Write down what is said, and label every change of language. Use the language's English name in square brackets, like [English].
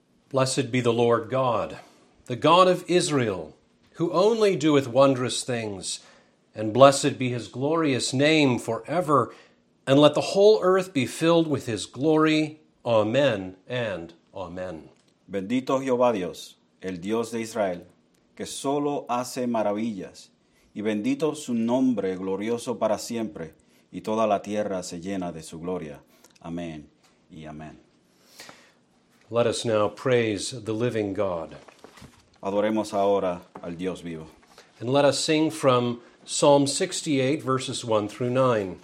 [English] Blessed be the Lord God, the God of Israel, who only doeth wondrous things, and blessed be his glorious name forever, and let the whole earth be filled with his glory. Amen and amen. [Spanish] Bendito Jehová Dios, el Dios de Israel, que solo hace maravillas, y bendito su nombre glorioso para siempre, y toda la tierra se llena de su gloria. Amén y amén. [English] Let us now praise the living God. [Spanish] Adoremos ahora al Dios vivo. [English] And let us sing from Psalm 68, verses 1 through 9.